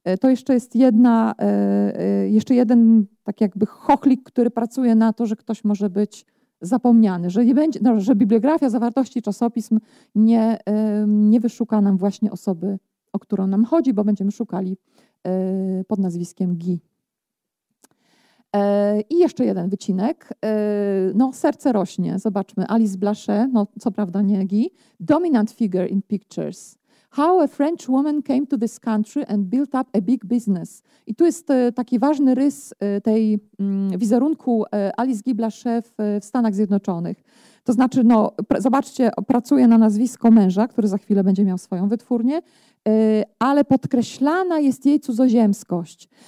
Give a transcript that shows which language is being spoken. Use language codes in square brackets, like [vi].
[pl] To jeszcze jest jeden tak jakby chochlik, który pracuje na to, że ktoś może być zapomniany, że nie będzie, no, że bibliografia, zawartości czasopism nie wyszuka nam właśnie osoby, o którą nam chodzi, bo będziemy szukali pod nazwiskiem Guy. I jeszcze jeden wycinek. No, serce rośnie. Zobaczmy. Alice Blaché, no co prawda nie Guy. [en] Dominant figure in pictures. How a French woman came to this country and built up a big business. [pl] I tu jest taki ważny rys tej wizerunku Alice Guy Blaché w Stanach Zjednoczonych. To znaczy, no, zobaczcie, pracuje na nazwisko męża, który za chwilę będzie miał swoją wytwórnię, ale podkreślana jest jej cudzoziemskość.